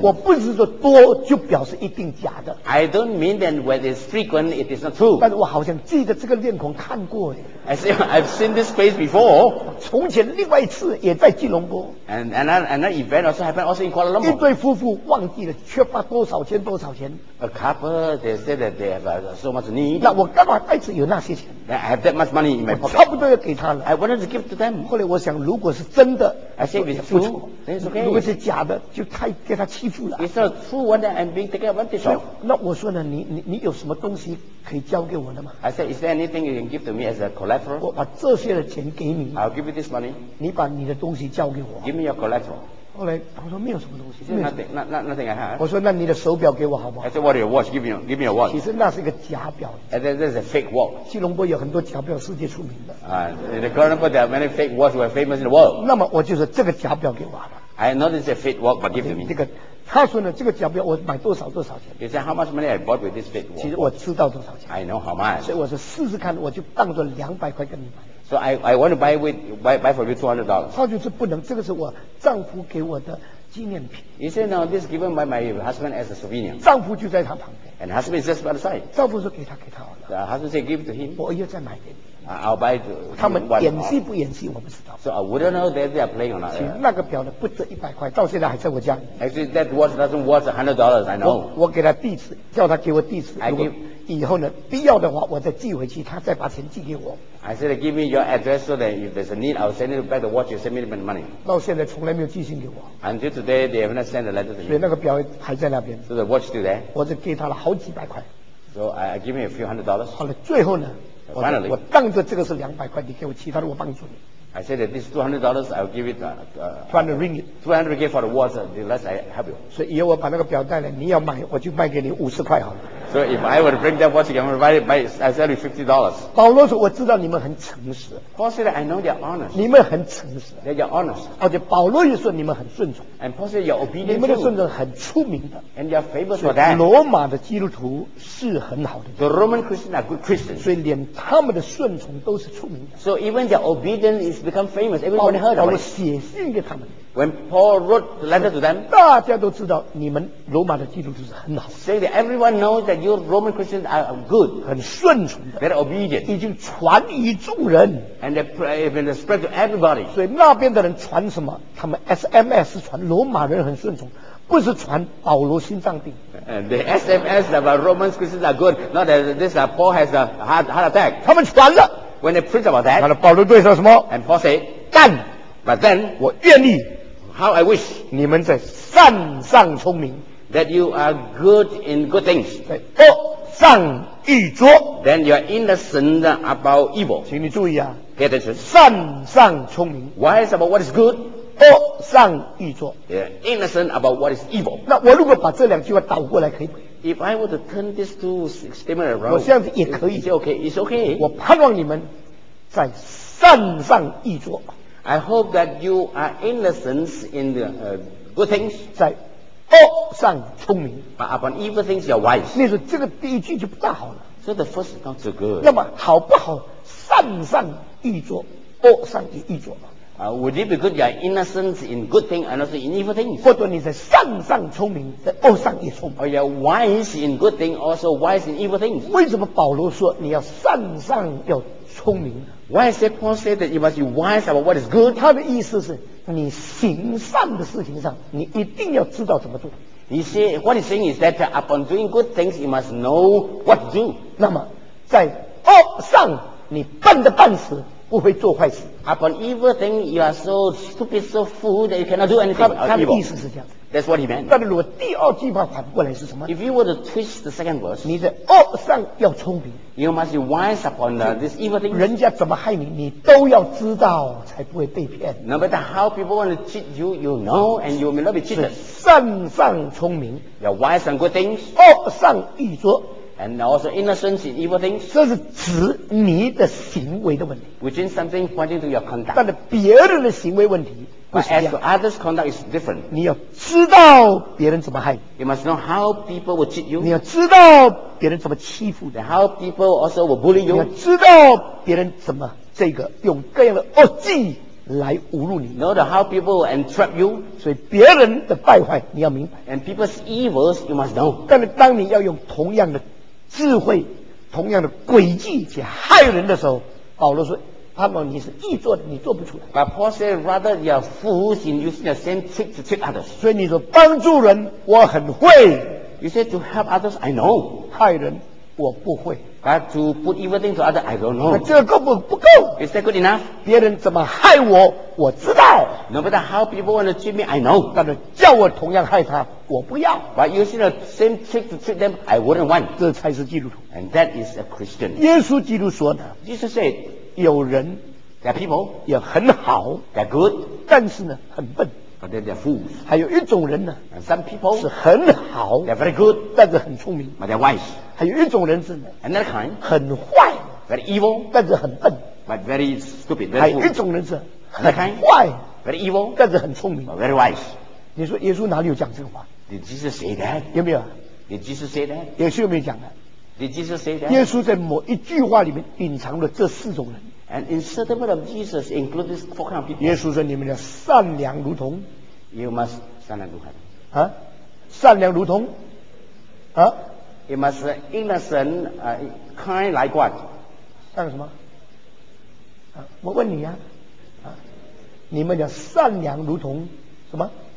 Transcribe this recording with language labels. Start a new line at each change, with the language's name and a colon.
Chinese: 我不是说多就表示一定假的。
English: I don't mean that when it's frequent, it is not true.
Chinese: 但是我好像记得这个面孔看过哎。
English: I see, I've seen this face before.
Chinese: 从前另外一次也在吉隆坡。
English: And that event also happened also in Kuala Lumpur.
Chinese: 一对夫妇忘记了。缺乏多少钱？多少钱
English: ？A couple, they said that they have so much need.
Chinese: 那我干嘛袋子有那些钱
English: ？I have that much money in my pocket.
Chinese: 差不多要给他了。
English: I wanted to give to them.
Chinese: 后来我想，如果是真的
English: ，I say it's true. It's okay.
Chinese: 如果是假的，就太给他欺负了。
English: It's a true one that I'm being taken advantage of.
Chinese: 那我说呢，你有什么东西可以交给我的吗
English: ？I said, is there anything you can give to me as a collateral?
Chinese: 我把这些的钱给你。
English: I'll give you this money.
Chinese: 你把你的东西交给我。
English: Give me your collateral.
Chinese: 后来他说没有什么东西
English: nothing I have
Chinese: 我说那你的手表给我好不好
English: I said what are your watch give me your watch
Chinese: 其实那是一个假表
English: and then there's a fake watch
Chinese: 吉隆坡有很多假表世界出名的
English: in the Kuala Lumpur there are many fake watch who are famous in the world
Chinese: 那么我就说这个假表给我好吧
English: I know this is a fake watch but give it to me
Chinese: 这个他说呢这个假表我买多少多少钱
English: you said how much money I bought with this fake watch
Chinese: 其实我知道多少钱
English: I know how much
Chinese: 所以我说试试看我就当做200块跟你买
English: So I want to buy for you $200.
Chinese: 他就是不能，这个是我丈夫给我的纪念品。
English: He said, "Now this is given by my husband as a souvenir."
Chinese: 丈夫就在他旁边。
English: And husband is just by the side.
Chinese: 丈夫说给他好了。
English: The husband said, "Give it to him."
Chinese: 我又再买给你。
English: I'll buy to.
Chinese: 他们演戏不演戏，我不知道。
English: So I wouldn't know that they are playing or not.
Chinese: 其实那个表呢，不值100块，到现在还在我家。
English: Actually, that watch doesn't worth $100. I know.
Chinese: 我给他地址，叫他给我地址。
English: I give.
Chinese: 以后呢，必要的话我再寄回去，他再把钱寄给我。
English: I said, give me your address so that if there's a need, I'll send it back the watch. You send me the money.
Chinese: 到现在从来没有寄信给我。
English: Until today, they haven't sent the letter to me.
Chinese: 所以那个表还在那边。
English: So the watch still there.
Chinese: 我只给他了好几百块。
English: So I give him a few hundred dollars.
Chinese: 好了，最后呢，
English: Finally,
Chinese: 我当着这个是200块，你给我其他的我帮助你。
English: I said that this $200 I'll give it $200 $200 for the watch the less I help you
Chinese: 所以以后我把那个表带来你要买我就卖给你50块好了
English: so if I were to bring that watch I'm going to buy it by, I sell you $50
Chinese: 保罗说我知道你们很诚实
English: Paul said I know they're honest
Chinese: 你们很诚实
English: they're honest
Chinese: 而且保罗也说你们很顺从
English: and Paul said you're obedient
Chinese: 你们的顺从很出名的
English: and you're famous for that
Chinese: 罗马的基督徒是很好的
English: the Roman Christians are good Christians
Chinese: 所以连他们的顺从都是出名的
English: so even their obedience isbecome famous everyone heard about it
Chinese: 写信给他们
English: when Paul wrote the letter to them
Chinese: 大家都知道你们罗马的基督徒是很好
English: say that everyone knows that you Roman Christians are good
Chinese: 很顺从的
English: they're obedient
Chinese: 已经传于众人
English: and they've spread to everybody
Chinese: 所以那边的人传什么他们 SMS 传罗马人很顺从不是传保罗心脏病
English: and the SMS about Roman Christians are good not that this Paul has a heart attack
Chinese: 他们传了
English: When they preach about that,
Chinese: 他说保罗对说什么
English: ？And Paul said,
Chinese: 但
English: ，but then
Chinese: 我愿意
English: ，how I wish
Chinese: 你们在善上聪明
English: ，that you are good in good things，
Chinese: 在恶上愚拙
English: ，then you are innocent about evil。
Chinese: 请你注意啊，
English: pay attention.
Chinese: 善上聪明。
English: Why is about what is good?
Chinese: 恶上愚拙。
English: Yeah, innocent about what is evil.
Chinese: 那我如果把这两句话倒过来可以吗？
English: If I were to turn these two statements around,
Chinese: 我这样子也可以。
English: It's okay. It's okay.
Chinese: 我盼望你们在善上愚拙。
English: I hope that you are innocent in the good things.
Chinese: 在恶上聪明。
English: But upon evil things, you're wise.
Chinese: 那是这个第一句就不大好了。
English: So the first is not so good.
Chinese: 那么好不好？善上愚拙，恶上愚拙。
English: Would it be good you are innocent in good things and also in evil things?
Chinese: 或者你在善上聪明，在恶上也聪明。
English: Or you are wise in good things, also wise in evil things.
Chinese: 为什么保罗说你要善上要聪明呢？
English: Why is it Paul said that you must be wise about what is good?
Chinese: 他的意思是，你行善的事情上，你一定要知道怎么做。
English: What he's saying is that upon doing good things, you must know what to do.
Chinese: 那么在恶上，你笨的半死。不会做坏事。
English: Upon evil thing, you are so stupid, so fool that you cannot do anything.
Chinese: 他的意思是这样子。
English: That's what he meant.
Chinese: 但是如果第二句话反过来是什么
English: ？If you were to twist the second verse,
Chinese: 你在恶上要聪明。
English: You must be wise upon this evil thing.
Chinese: 人家怎么害你，你都要知道，才不会被骗。
English: No matter how people want to cheat you, you know and you may not be cheated.
Chinese: 善上聪明。
English: You're wise on good things.
Chinese: 恶上愚拙。
English: And also innocence in evil things.
Chinese: 这是指你的行为的问题。
English: Which is something pointing to your conduct.
Chinese: 但是别人的行为问题不是一样。
English: But as to others' conduct is different.
Chinese: 你要知道别人怎么害你。
English: You must know how people will cheat you.
Chinese: 你要知道别人怎么欺负你。
English: How people also will bully you.
Chinese: 你要知道别人怎么这个用各样的恶计来侮辱你。
English: Know how people entrap you.
Chinese: 所以别人的败坏你要明白。
English: And people's evils you must know.
Chinese: 但是当你要用同样的智慧同样的诡计去害人的时候，保罗说盼望你是愚拙的，你做不出来。
English: But Paul said rather you are fools in using the same trick to trick others.
Chinese: 所以你说帮助人我很会。
English: You said to help others I know.
Chinese: 害人我不会。
English: But to put evil things to others I don't know.
Chinese: 这个不够。
English: Is that good enough?
Chinese: 别人怎么害我我知道。
English: No matter how people want to cheat me I know.
Chinese: 但是叫我同样害他我不要。
English: But using the same trick to treat them, I wouldn't want.
Chinese: 这才是基督徒。
English: And that is a Christian.
Chinese: 耶稣基督说的。
English: Jesus said,
Chinese: 有人
English: there are people,
Chinese: 也很好
English: they're good,
Chinese: 但是呢很笨
English: but they're fools.
Chinese: 还有一种人呢
English: and some people,
Chinese: 是很好
English: they're very good,
Chinese: 但是很聪明
English: but they're wise.
Chinese: 还有一种人是呢
English: another kind,
Chinese: 很坏
English: very evil,
Chinese: 但是很笨
English: but very stupid, very
Chinese: fool. 还有一种人是很坏
English: another kind, very evil,
Chinese: 但是很聪明
English: but very wise.
Chinese: 你说耶稣哪里有讲这个话？
English: Did Jesus say that?
Chinese: 有没有？
English: Did Jesus say that?
Chinese: 耶稣有没有讲的？
English: Did Jesus say that?
Chinese: 耶稣在某一句话里面隐藏了这四种人。
English: And in certain words of Jesus include these four kind of people.
Chinese: 耶稣说你们要善良如同。
English: You must
Chinese: 善良如何？啊？善良如同？啊
English: ？You must innocent, kind likewise.
Chinese: 善什么？啊？我问你啊，啊？你们要善良如同什么？